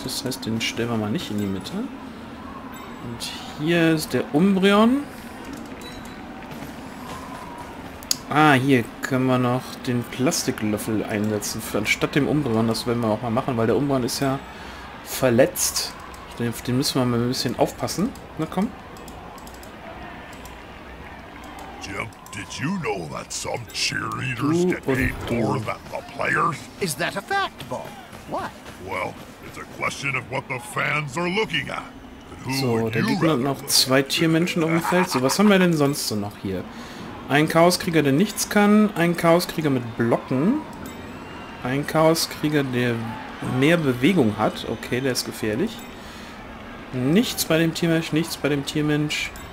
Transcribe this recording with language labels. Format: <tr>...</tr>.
<de>Das heißt, den stellen wir mal nicht in die Mitte. Und hier ist der Umbreon. Ah, hier können wir noch den Plastiklöffel einsetzen, anstatt dem Umbreon. Das werden wir auch mal machen, weil der Umbreon ist ja verletzt. Auf den müssen wir mal ein bisschen aufpassen. Na komm.</de> <en>Jim, did you know that some cheerleaders get paid more than the players? Is that a fact, Bob? What? Well, it's a question of what the fans are looking at.</en> <de>So, da liegen noch zwei Tiermenschen auf dem Feld. So, was haben wir denn sonst so noch hier? Ein Chaoskrieger, der nichts kann. Ein Chaoskrieger mit Blocken. Ein Chaoskrieger, der mehr Bewegung hat. Okay, der ist gefährlich. Nichts bei dem Tiermensch, nichts bei dem Tiermensch.</de>